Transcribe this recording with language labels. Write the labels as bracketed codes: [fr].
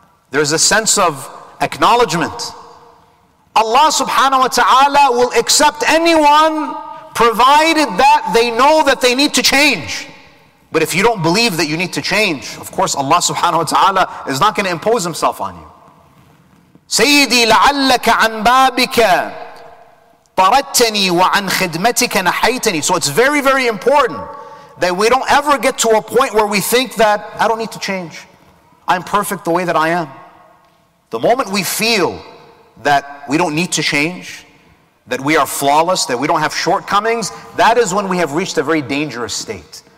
[en] There's a sense of acknowledgement. Allah subhanahu wa ta'ala will accept anyone provided that they know that they need to change. But if you don't believe that you need to change, of course Allah subhanahu wa ta'ala is not going to impose himself on you. [ar] سيدي لعلك عن بابك طردتني وعن خدمتك نحيتني. [en] So it's very, very important that we don't ever get to a point where we think that I don't need to change. I'm perfect the way that I am. The moment we feel that we don't need to change, that we are flawless, that we don't have shortcomings, that is when we have reached a very dangerous state.